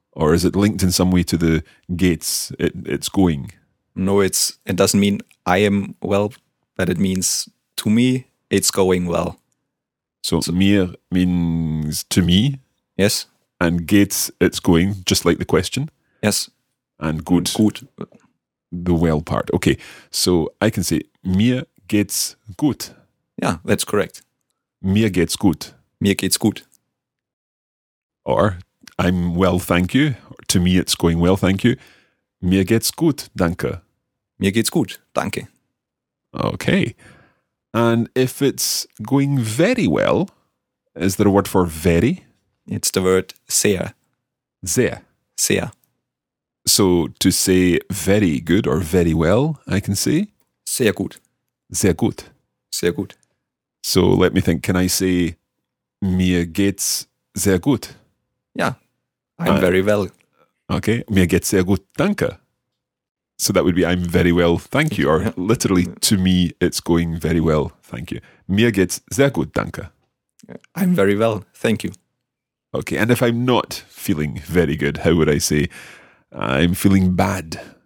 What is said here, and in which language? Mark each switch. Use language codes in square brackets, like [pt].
[en] Or is it linked in some way to the gates, it's going? No, it doesn't mean I am well, but it means to me, it's going well. So mir means to me? Yes. And gates, it's going, just like the question? Yes. And gut? [de] Gut. [en] The well part. Okay, so I can say [de] mir geht's gut. [en] Yeah, that's correct. [de] Mir geht's gut. Mir geht's gut. [en] Or, I'm well, thank you. Or, to me, it's going well, thank you. [de] Mir geht's gut, danke. Mir geht's gut, danke. [en] Okay. And if it's going very well, is there a word for very? It's the word sehr. [de] Sehr. Sehr. [en] So, to say very good or very well, I can say? [de] Sehr gut. Sehr gut. Sehr gut. [en] So, let me think. Can I say... [de] Mir geht's sehr gut. [en] Yeah, I'm very well. [de] Okay, mir geht's sehr gut, danke. [en] So that would be I'm very well, thank you, or yeah. Literally, to me, it's going very well, thank you. [de] Mir geht's sehr gut, danke. [en] I'm very well, thank you. Okay, and if I'm not feeling very good, how would I say? I'm feeling bad.